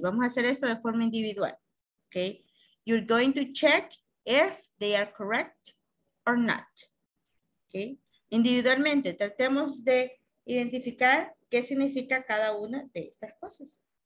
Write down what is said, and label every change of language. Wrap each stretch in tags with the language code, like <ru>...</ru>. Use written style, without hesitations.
<es>Vamos a hacer esto de forma individual, okay?</es> <en>You're going to check if they are correct or not, okay?</en> <es>Individualmente, tratemos de identificar qué significa cada una de estas cosas.</es>